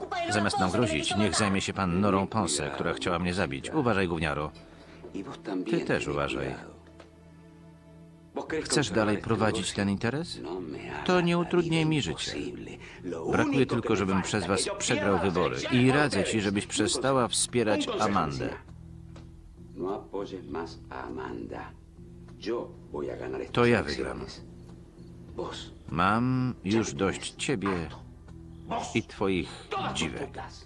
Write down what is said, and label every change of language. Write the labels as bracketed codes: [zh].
[pl] Zamiast nam grozić, niech zajmie się pan Norą Ponce, która chciała mnie zabić. Uważaj, gówniaro. Ty też uważaj. Chcesz dalej prowadzić ten interes? To nie utrudnij mi życie. Brakuje tylko, żebym przez was przegrał wybory. I radzę ci, żebyś przestała wspierać Amandę. [es] No apoyes más a Amanda. Yo voy a ganar esto. To ya vegramos. [pl] Mam już dość ciebie i twoich dziwek.